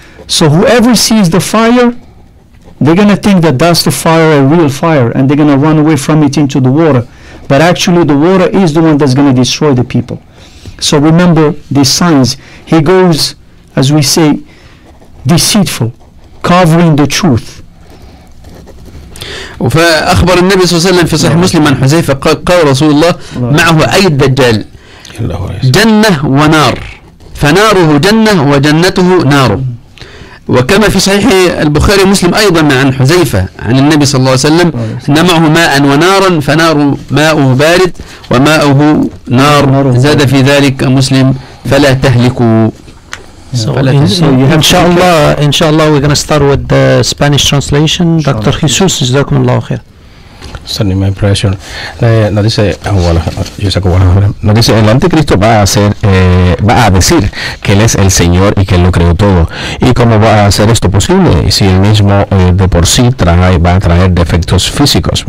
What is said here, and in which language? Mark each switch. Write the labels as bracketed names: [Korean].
[English] So whoever sees the fire, they're going to think that that's the fire, a real fire, and they're going to run away from it into the water. But actually the water is the one that's going to destroy the people. So remember these signs. He goes, as we say, deceitful, covering the truth. [Arabic] فأخبر النبي صلى الله عليه وسلم في صحيح مسلم عن حذيفة قال رسول الله معه أي الدجال جنة ونار فناره جنة وجنته نار. وكما في صحيح البخاري ومسلم أيضا عن حذيفة عن النبي صلى الله عليه وسلم أن معه ماء ونارا فنار ماءه بارد وماءه نار, زاد في ذلك مسلم فلا تهلكوا. [English] Inshallah, inshallah, we're going to start with the Spanish translation. [Arabic] Dr. Jesus, جزاكم الله خير. [English] Sorry, my impression. [Spanish] Nos dice el anticristo va a decir que él es el Señor y que él lo creó todo. ¿Y cómo va a hacer esto posible si él mismo de por sí va a traer defectos físicos?